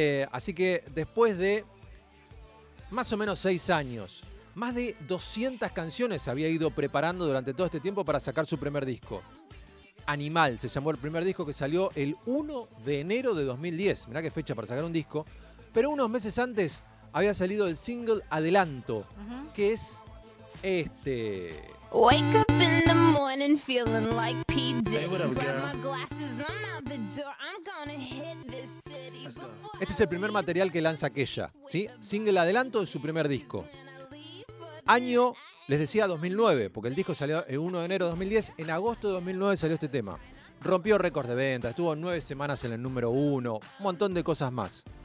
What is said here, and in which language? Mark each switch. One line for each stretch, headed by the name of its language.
Spanish: Así que después de más o menos 6 años, más de 200 canciones había ido preparando durante todo este tiempo para sacar su primer disco. Animal se llamó el primer disco, que salió el 1 de enero de 2010. Mirá qué fecha para sacar un disco. Pero unos meses antes había salido el single Adelanto, que es este.
English: Wake up in the morning feeling like P. Diddy. Hey, what up, girl? Grab my glasses, I'm out the door, I'm gonna hit this city.
Spanish: Este es el primer material que lanza Kesha, ¿sí? Single Adelanto de su primer disco. Año, les decía, 2009, porque el disco salió el 1 de enero de 2010. En agosto de 2009 salió este tema. Rompió récords de ventas, estuvo 9 semanas en el número 1, un montón de cosas más.